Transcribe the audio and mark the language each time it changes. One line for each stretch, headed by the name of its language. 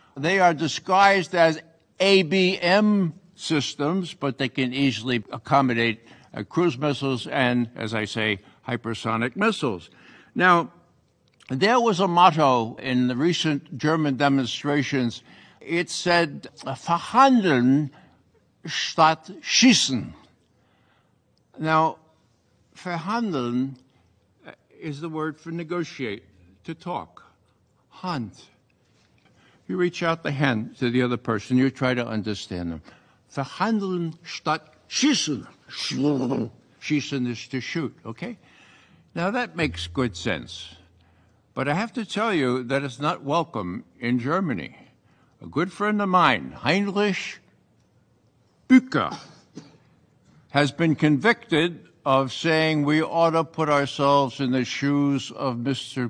English: They are disguised as ABM systems, but they can easily accommodate cruise missiles and, as I say, hypersonic missiles. Now, there was a motto in the recent German demonstrations. It said,
German: Verhandeln statt schießen.
English: Now, verhandeln is the word for negotiate, to talk, hand. You reach out the hand to the other person, you try to understand them.
German: Verhandeln statt schießen.
English: Schießen is to shoot, okay? Now that makes good sense. But I have to tell you that it's not welcome in Germany. A good friend of mine, Heinrich Bücker, has been convicted of saying we ought to put ourselves in the shoes of Mr.